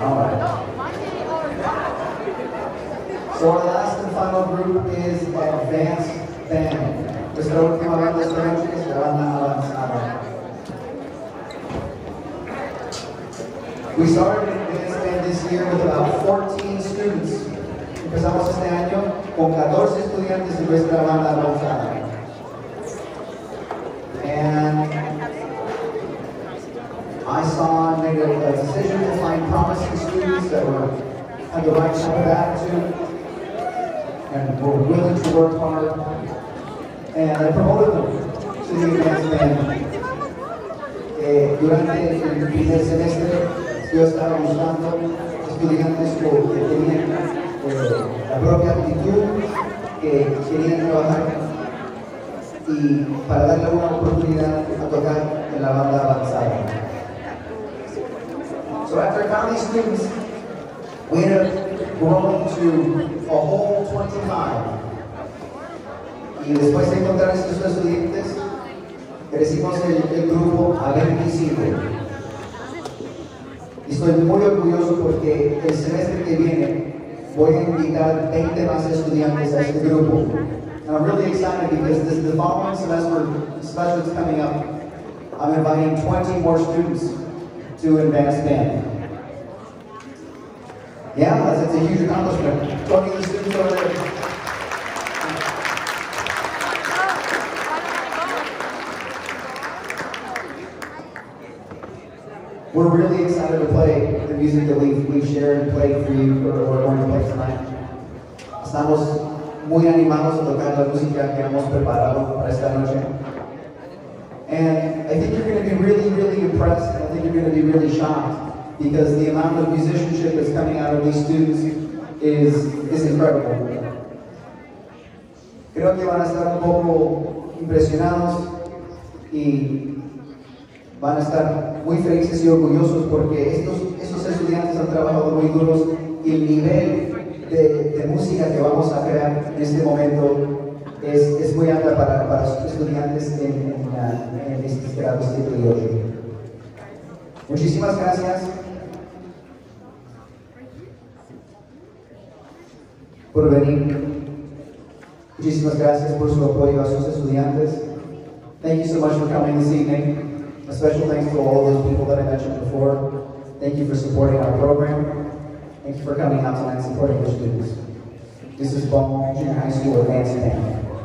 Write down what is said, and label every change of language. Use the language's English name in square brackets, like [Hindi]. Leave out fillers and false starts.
[English] All right. So our last and final group is advanced band. Just go come on this bench. We started in advanced band this year with about 14 students. [Spanish] Empezamos este año con 14 estudiantes de nuestra banda avanzada. [English] And I saw and made a decision to find promising students that were had the right type of attitude and were willing to work hard. And I promoted them to the advanced band. [Spanish] Durante el primer semestre, yo estaba buscando estudiantes que tenían la propia actitud, que querían trabajar y para darle una oportunidad a tocar en la banda avanzada. [English] So after I found these students, we ended up growing to a whole 25. [Spanish] Y después de encontrar estos estudiantes, crecimos el grupo a 25. Y estoy muy orgulloso porque el semestre que viene voy a invitar 20 más estudiantes a este grupo. [English] And I'm really excited because this the following semester, especially that's coming up, I'm inviting 20 more students to advanced band. Yeah, that's a huge accomplishment. 20 of the students over there. We're really excited to play the music that we shared and played for you or we're going to play tonight. [Spanish] Estamos muy animados a tocar la música que hemos preparado para esta noche. [English] And I think you're going to be really, really impressed. I think you're going to be really shocked because the amount of musicianship that's coming out of these students is incredible. [Spanish] Creo que van a estar un poco impresionados y van a estar muy felices y orgullosos porque estos estudiantes han trabajado muy duros y el nivel de música que vamos a crear en este momento es muy alta para estudiantes en este grado 7 y 8. Muchísimas gracias por venir. Muchísimas gracias por su apoyo a sus estudiantes. [English] Thank you so much for coming this evening. A special thanks to all those people that I mentioned before. Thank you for supporting our program. Thank you for coming out tonight and supporting your students. This is Beaumont Junior High School Advanced Band.